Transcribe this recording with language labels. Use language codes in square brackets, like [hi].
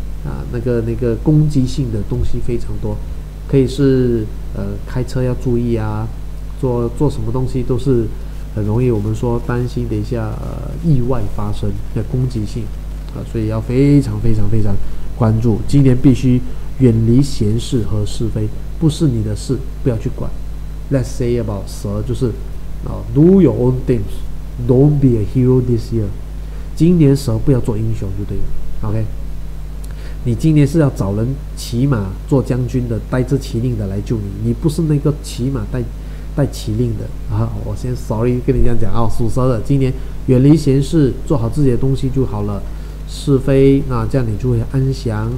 [zh] 啊，那个攻击性的东西非常多，可以是开车要注意啊，做什么东西都是很容易，我们说担心等一下意外发生的攻击性啊，所以要非常非常非常关注。今年必须远离闲事和是非，不是你的事不要去管。 [en] Let's say about [zh] 蛇就是啊 [en] ，do your own things, don't be a hero this year。 [zh] 今年蛇不要做英雄就对了 ，OK。你今年是要找人骑马做将军的，带着麒麟的来救你，你不是那个骑马带麒麟的啊！我先 sorry 跟你这样讲啊，属蛇的今年远离闲事，做好自己的东西就好了，是非啊，这样你就会安详。